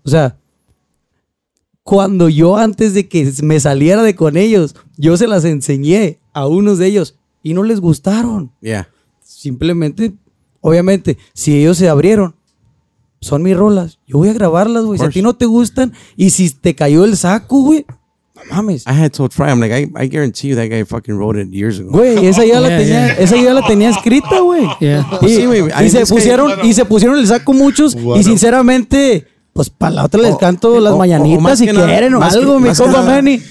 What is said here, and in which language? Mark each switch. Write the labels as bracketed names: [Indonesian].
[Spanish] O sea, cuando yo antes de que me saliera de con ellos, yo se las enseñé a unos de ellos y no les gustaron. Ya. Yeah. Simplemente, obviamente, si ellos se abrieron, son mis rolas. Yo voy a grabarlas, güey. Si a ti no te gustan y si te cayó el saco, güey. No mames. [English] I had told Fry, I'm like, I guarantee you that guy fucking wrote it years ago. [Spanish] Güey, esa ya la tenía escrita, güey. [English] Yeah. [Spanish] Y se pusieron el saco muchos y sinceramente, pues para la otra les canto las mañanitas si quieren o algo, mi compa Manny.